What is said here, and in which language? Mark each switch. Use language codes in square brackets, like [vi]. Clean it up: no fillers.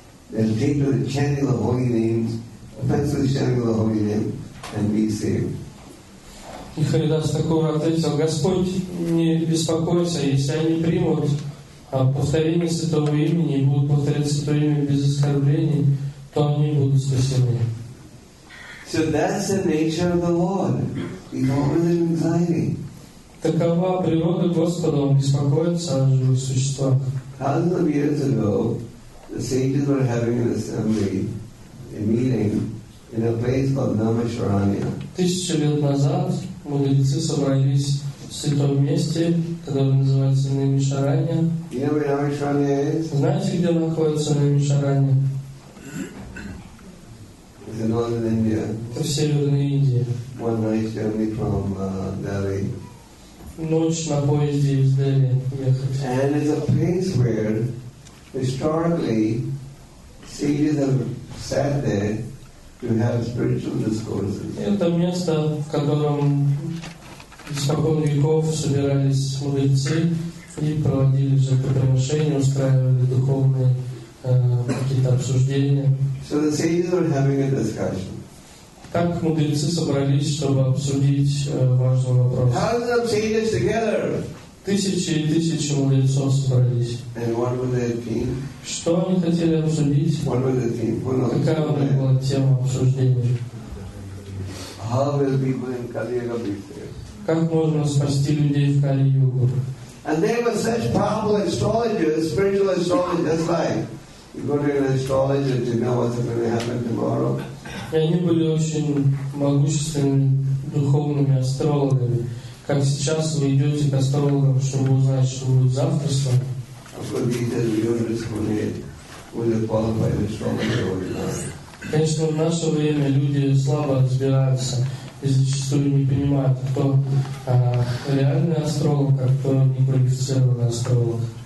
[en] They'll take to the chanting of holy names, offensively chanting of the holy name, and be saved. [ru] И Харидас такого ответил, Господь, не беспокойся, если они примут повторение святого имени и будут повторять святое имя без оскорблений, то они будут спасены. [en] So that's the nature of the Lord. He's always in anxiety. [ru] Такова природа Господа, Он беспокоится о живых существах. [en] Thousands of years ago, the sages were having an assembly, a meeting, in a place called Dhammacharanya. [ru] Тысячу лет назад мудрецы собрались в святом месте, которое называется Наймишаранья. Знаете, где находится Наймишаранья? [en] It's in northern India. [ru] В северной Индии. [en] One night journey from Delhi. [ru] Ночь на поезде из Дели ехать. [en] And it's a place where historically sages have sat there to have spiritual discourses. [ru] Это место, в котором испокон веков собирались мудрецы и проводили жертвоприношения, устраивали духовные какие-то обсуждения. [en] So the sages were having a discussion. [ru] Так мудрецы собрались, чтобы обсудить важный вопрос. [en] Thousands of sages together. [ru] Тысячи и тысячи мудрецов собрались. [en] And what were their theme? [ru] Что они хотели обсудить? [en] What were their theme? Who knows? [ru] Какая у них была тема обсуждения? [en] How will people in Kali Yuga be saved? [ru] Как можно спасти людей в Кали-Югу? [en] And they were such powerful astrologers, spiritual astrologers, just like you go to an astrologer to know what's going to happen tomorrow. [ru] И они были очень могущественными духовными астрологами, как сейчас вы идете к астрологам, чтобы узнать, что будет завтра с вами. Конечно, в наше время люди слабо разбираются и зачастую не понимают, кто реальный астролог, а кто неквалифицированный астролог.